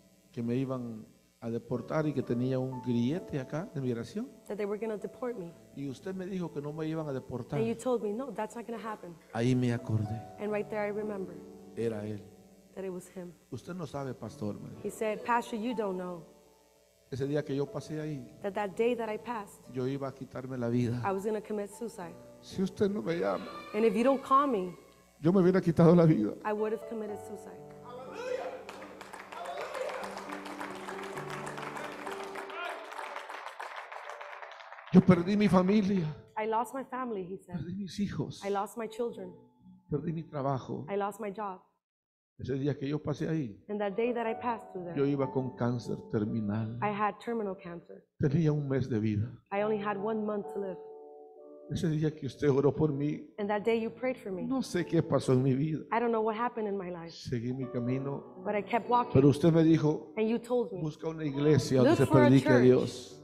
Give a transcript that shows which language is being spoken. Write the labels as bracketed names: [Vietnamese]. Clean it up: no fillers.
[Spanish] Que me iban a deportar y que tenía un grillete acá de migración. [English] That they were going to deport me. [Spanish] Y usted me dijo que no me iban a deportar. [English] And you told me, no, that's not going to happen. [Spanish] Ahí me acordé. [English] And right there I remember. [Spanish] Era él. [English] That it was him. [Spanish] Usted no sabe, pastor. [English] He said, pastor, you don't know. [Spanish] Ese día que yo pasé ahí. [English] That day that I passed. [Spanish] Yo iba a quitarme la vida. [English] I was going to commit suicide. [Spanish] Si usted no me llama. [English] And if you don't call me. [Spanish] Yo me hubiera quitado la vida. [English] I would have committed suicide. [Spanish] Yo perdí mi familia. [English] I lost my family, he said. [Spanish] Perdí mis hijos. [English] I lost my children. [Spanish] Perdí mi trabajo. [English] I lost my job. [Spanish] Ese día que yo pasé ahí. [English] And that day that I passed through there. [Spanish] Yo iba con cáncer terminal. [English] I had terminal cancer. [Spanish] Tenía un mes de vida. [English] I only had 1 month to live. [Spanish] Ese día que usted oró por mí. [English] And that day you prayed for me. [Spanish] No sé qué pasó en mi vida. [English] I don't know what happened in my life. [Spanish] Seguí mi camino. [English] But I kept walking. [Spanish] Pero usted me dijo. [English] And you told me. [Spanish] Busca una iglesia donde se predique a Dios.